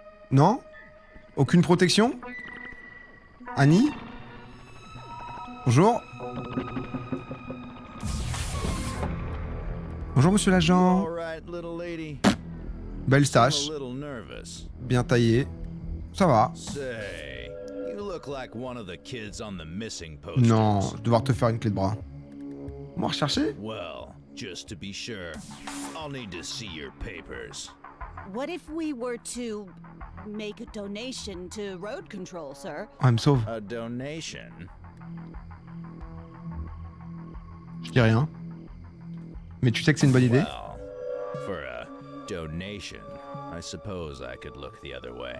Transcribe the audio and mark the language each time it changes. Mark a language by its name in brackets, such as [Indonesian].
[French] Non? Aucune protection? Annie? Bonjour. Bonjour, monsieur l'agent. [English] All right, little lady. [French] Belle stache. [English] A little nervous. [French] Bien taillée. Ça va. [English] Say, you look look like one of the kids on the missing posters. [French] Non, devoir te faire une clé de bras. On va rechercher? [English] Well, just to be sure, I'll need to see your papers. What if we were to make a donation to road control, sir? [French] Ah, il me sauve. [English] A donation? [French] Je dis rien. Mais tu sais que c'est une bonne idée? [English] Well, for a donation, I suppose I could look the other way.